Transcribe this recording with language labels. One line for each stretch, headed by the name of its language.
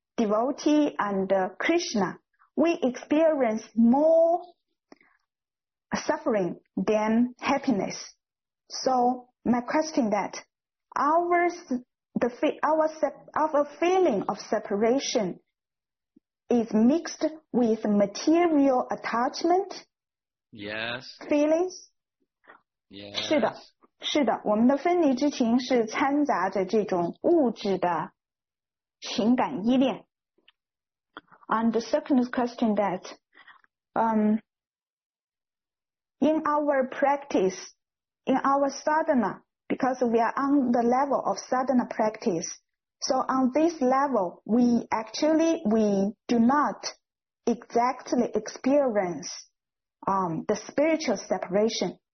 English: devotee and Krishna, we experience more suffering than happiness. So my question that our feeling of separation is mixed with material attachment. Yes. Feelings. Yes.
Chinese: 是的，我们的分离之情是掺杂着这种物质的情感依恋。
English: And the second question that, in our practice, in our sadhana, because we are on the level of sadhana practice, so on this level, we do not exactly experience, the spiritual separation.